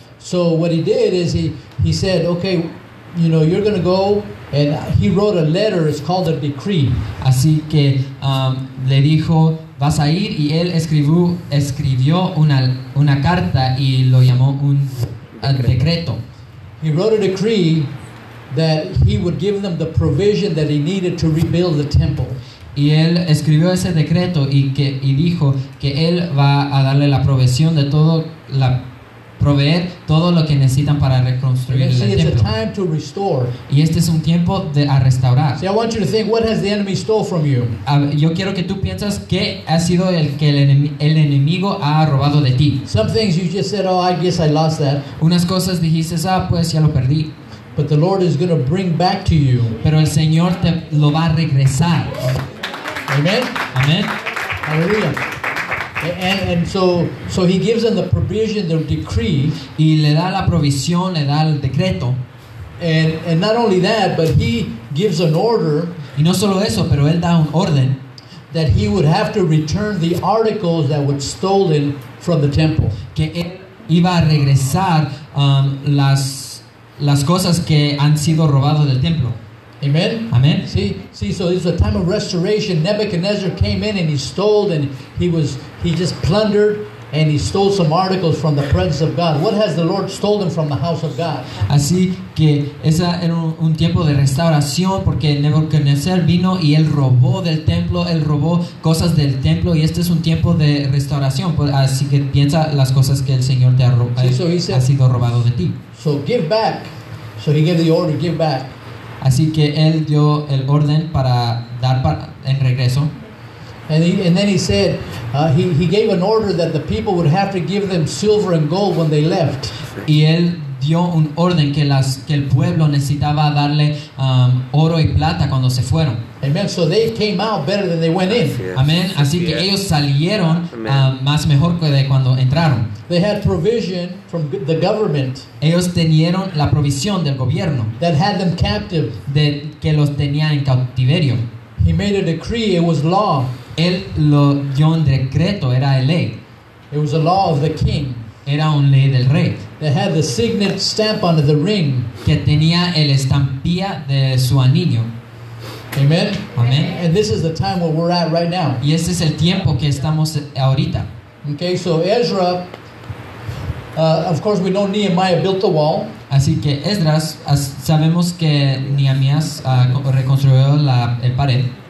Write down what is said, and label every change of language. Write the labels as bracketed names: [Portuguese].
[English] So what he did is he said, okay, you know, you're going to go. And he wrote a letter. It's called a decree. [Spanish] Así que le dijo, vas a ir, y él escribió una carta y lo llamó un decreto. [English] He wrote a decree that he would give them the provision that he needed to rebuild the temple. [Spanish] Y él escribió ese decreto y dijo que él va a darle la provisión de todo, la proveer todo lo que necesitan para reconstruir el templo. [English] It's a time to restore. [Spanish] Y este es un tiempo a restaurar. [English] See, I want you to think, what has the enemy stole from you? [Spanish] Yo quiero que tú pienses qué ha sido el que el enemigo ha robado de ti. [English] Some things you just said, oh, I guess I lost that. [Spanish] Unas cosas dijiste, ah, pues ya lo perdí. [English] But the Lord is going to bring back to you. [Spanish] Pero el Señor te lo va a regresar. [English] Amen. [Spanish] Amen. [English] Hallelujah. And so he gives them the provision, the decree. [Spanish] Y le da la provisión, le da el decreto. [English] And not only that, but he gives an order. [Spanish] Y no solo eso, pero él da un orden. [English] That he would have to return the articles that were stolen from the temple. [Spanish] Que él iba a regresar las cosas que han sido robadas del templo. [English] Amen. [Spanish] Amen. [English] See. So it's a time of restoration. Nebuchadnezzar came in and he stole, and he just plundered, and he stole some articles from the presence of God. What has the Lord stolen from the house of God? [Spanish] Así que esa era un tiempo de restauración, porque Nebuchadnezzar vino y él robó del templo, él robó cosas del templo, y este es un tiempo de restauración. Así que piensa las cosas que el Señor te ha robado, ha sido robado de ti. [English] So give back. So he gave the order. Give back. [Spanish] Así que él dio el orden para dar en regreso. [English] And then he said he gave an order that the people would have to give them silver and gold when they left. [Spanish] Y él dio un orden que el pueblo necesitaba darle oro y plata cuando se fueron. [English] Amen. So they came out better than they went in. Yes. Amen. [Spanish] Así yes. que ellos salieron más mejor que de cuando entraron. [English] They had provision from the government. [Spanish] Ellos tenieron la provisión del gobierno. [English] That had them captive. [Spanish] De que los tenía en cautiverio. [English] He made a decree. It was law. [Spanish] Él lo dio un decreto. Era la ley. [English] It was a law of the king. [Spanish] Era una ley del rey. [English] That had the signet stamp under the ring. [Spanish] Que tenía el estampilla de su anillo. [English] Amen. [Spanish] Amen. [English] And this is the time where we're at right now. [Spanish] Y este es el tiempo que estamos ahorita. [English] Okay, so Ezra. Of course, we know Nehemiah built the wall. [Spanish] Así que Esdras, sabemos que Nehemías reconstruyó el pared.